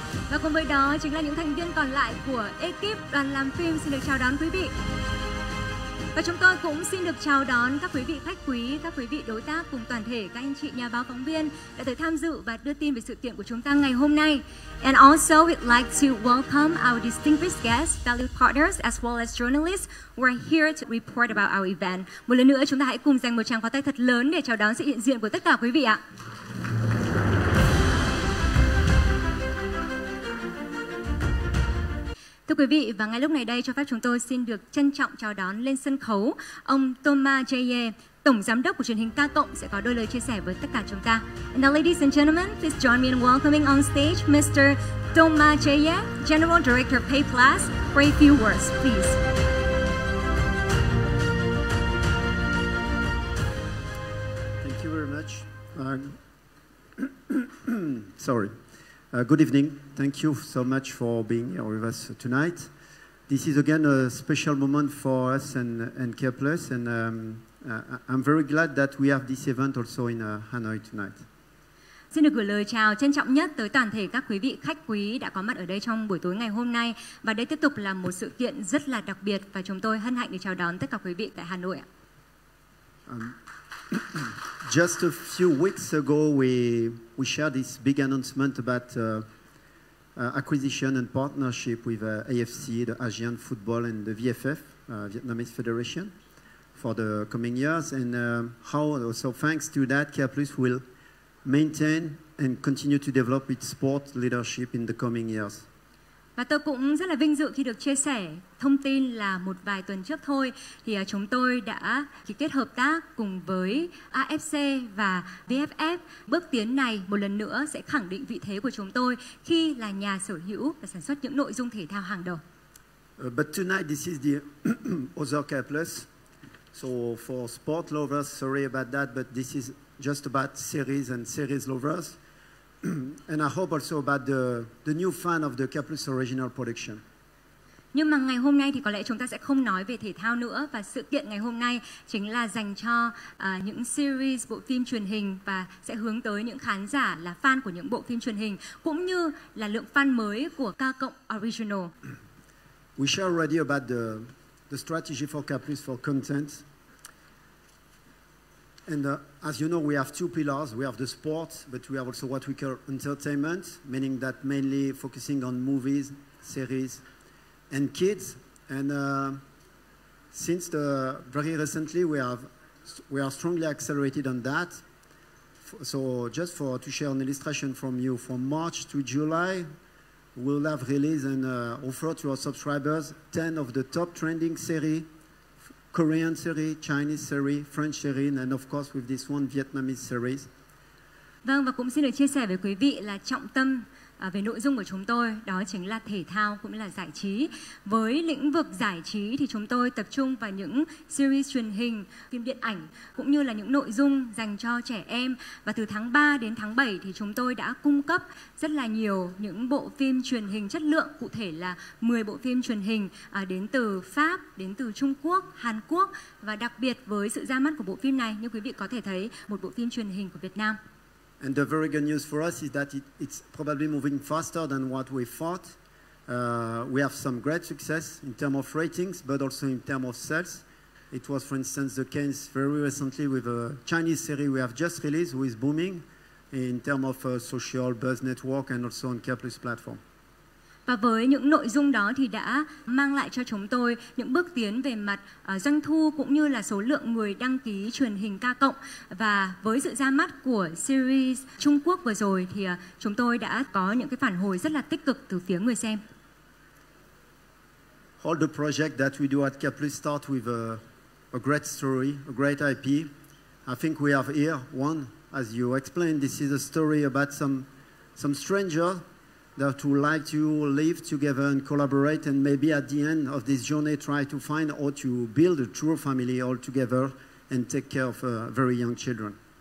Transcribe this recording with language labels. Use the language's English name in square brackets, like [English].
[Vietnamese] Và cùng với đó chính là những thành viên còn lại của ekip đoàn làm phim. Xin được chào đón quý vị. Và chúng tôi cũng xin được chào đón các quý vị khách quý, các quý vị đối tác cùng toàn thể các anh chị nhà báo phóng viên đã tới tham dự và đưa tin về sự kiện của chúng ta ngày hôm nay. [English] And also we'd like to welcome our distinguished guests, valued partners as well as journalists who are here to report about our event. [Vietnamese] Một lần nữa chúng ta hãy cùng dành một tràng pháo tay thật lớn để chào đón sự hiện diện của tất cả quý vị ạ. Thưa quý vị, và ngay lúc này đây cho phép chúng tôi xin được trân trọng chào đón lên sân khấu ông Thomas Jaye, Tổng Giám đốc của truyền hình K Cộng, sẽ có đôi lời chia sẻ với tất cả chúng ta. [English] And now, ladies and gentlemen, please join me in welcoming on stage Mr. Thomas Jaye, General Director of Pay Plus, for a few words, please. Thank you very much. Good evening. Thank you so much for being here with us tonight. This is again a special moment for us and Care Plus, and I'm very glad that we have this event also in Hanoi tonight. [Vietnamese] Xin được gửi lời chào trân trọng nhất tới toàn thể các quý vị khách quý đã có mặt ở đây trong buổi tối ngày hôm nay, và đây tiếp tục là một sự kiện rất là đặc biệt và chúng tôi hân hạnh để chào đón tất cả quý vị tại Hà Nội ạ. [English] Just a few weeks ago, we shared this big announcement about acquisition and partnership with AFC, the Asian Football, and the VFF, Vietnamese Federation, for the coming years. And how also thanks to that, Care Plus will maintain and continue to develop its sport leadership in the coming years. [Vietnamese] Và tôi cũng rất là vinh dự khi được chia sẻ thông tin là một vài tuần trước thôi thì chúng tôi đã ký kết hợp tác cùng với AFC và VFF. Bước tiến này một lần nữa sẽ khẳng định vị thế của chúng tôi khi là nhà sở hữu và sản xuất những nội dung thể thao hàng đầu. [English] But tonight this is the other Care Plus. So for sport lovers, sorry about that, but this is just about series and series lovers. And I hope also about the new fan of the Care Plus original production. [Vietnamese] Nhưng mà ngày hôm nay thì có lẽ chúng ta sẽ không nói về thể thao nữa, và sự kiện ngày hôm nay chính là dành cho những series bộ phim truyền hình và sẽ hướng tới những khán giả là fan của những bộ phim truyền hình cũng như là lượng fan mới của K Cộng original. [English] We share already about the strategy for Care Plus for content. And as you know, we have two pillars. We have the sport, but we have also what we call entertainment, meaning that mainly focusing on movies, series, and kids. And since very recently, we are strongly accelerated on that. So just to share an illustration from you, from March to July, we'll have released and offer to our subscribers 10 of the top trending series. Korean series, Chinese series, French series, and of course with this one Vietnamese series. [Vietnamese] Vâng, và cũng xin được chia sẻ với quý vị là trọng tâm về nội dung của chúng tôi đó chính là thể thao cũng là giải trí. Với lĩnh vực giải trí thì chúng tôi tập trung vào những series truyền hình, phim điện ảnh cũng như là những nội dung dành cho trẻ em. Và từ tháng 3 đến tháng 7 thì chúng tôi đã cung cấp rất là nhiều những bộ phim truyền hình chất lượng, cụ thể là 10 bộ phim truyền hình đến từ Pháp, đến từ Trung Quốc, Hàn Quốc. Và đặc biệt với sự ra mắt của bộ phim này, như quý vị có thể thấy, một bộ phim truyền hình của Việt Nam. [English] And the very good news for us is that it's probably moving faster than what we thought. We have some great success in terms of ratings, but also in terms of sales. It was, for instance, the case very recently with a Chinese series we have just released, who is booming in terms of social buzz network and also on Care Plus platform. [Vietnamese] Và với những nội dung đó thì đã mang lại cho chúng tôi những bước tiến về mặt doanh thu cũng như là số lượng người đăng ký truyền hình K cộng. Và với sự ra mắt của series Trung Quốc vừa rồi thì chúng tôi đã có những cái phản hồi rất là tích cực từ phía người xem. [English] All the project that we do at K+ start with a great story, a great IP. I think we have here one, as you explained, this is a story about some stranger that would like to live together and collaborate, and maybe at the end of this journey try to find or to build a true family all together and take care of very young children.